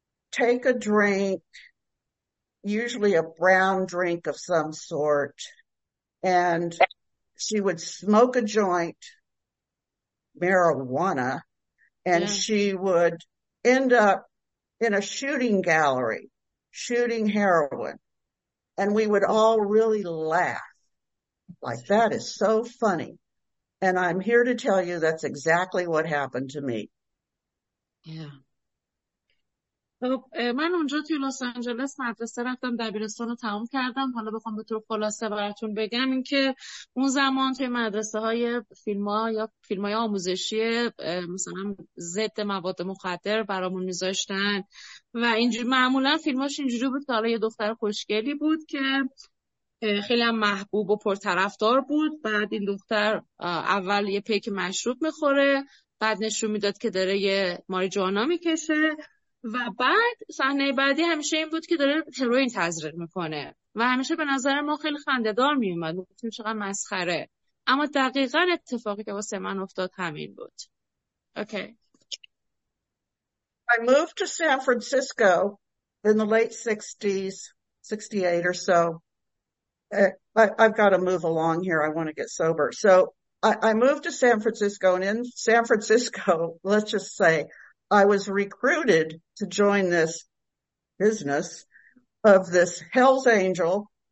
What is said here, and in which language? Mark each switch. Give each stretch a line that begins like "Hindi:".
English: take a drink, usually a brown drink of some sort, and she would smoke a joint, marijuana, and she would end up in a shooting gallery, shooting heroin. And we would all really laugh, like, that is so funny. And I'm here to tell you that's exactly what happened to me.
Persian: خب من اونجا توی لس آنجلس مدرسه رفتم، دبیرستان رو تموم کردم. حالا بخوام به طور خلاصه براتون بگم اینکه اون زمان توی مدرسه های فیلم ها یا فیلم های آموزشی مثلا ضد مواد مخدر برامون میذاشتن و اینجوری معمولا فیلماش اینجوری بود که حالا یه دختر خوشگلی بود که خیلی هم محبوب و پرطرفدار بود، بعد این دختر اول یه پیک مشروب میخوره، بعد نشون میداد که داره یه ماریجوانا میکشه و بعد صحنه بعدی همیشه این بود که داره هروئین تزریق میکنه و همیشه به نظر ما خیلی خنده‌دار میومد، میگفتیم چقدر مسخره. اما دقیقا اتفاقی که واسه من افتاد همین بود.
English: Okay. I moved to San Francisco in the late 60s, 68 or so. I've got to move along here. I want to get sober. So I moved to San Francisco, and in San Francisco, let's just say, I was recruited to join this business of this Hell's Angel.